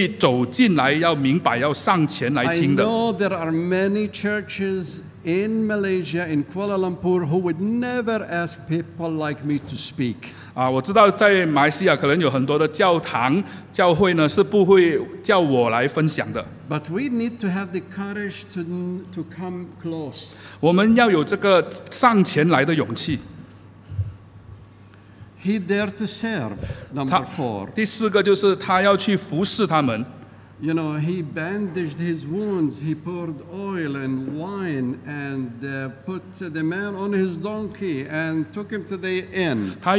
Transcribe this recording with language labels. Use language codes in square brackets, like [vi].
[zh] 所以今天当你们来这里听这个讲座的时候，你就是愿意走进来，要明白，要上前来听的。 [en] I know there are many churches in Malaysia, in Kuala Lumpur, who would never ask people like me to speak. [zh] 我知道在马来西亚可能有很多的教堂教会呢是不会叫我来分享的。 [en] But we need to have the courage to come close. [zh] 我们要有这个上前来的勇气。 [en] He dared to serve, number four. [zh] 第四个就是他要去服侍他们。 [en] You know, he bandaged his wounds, he poured oil and wine and put the man on his donkey and took him to the inn.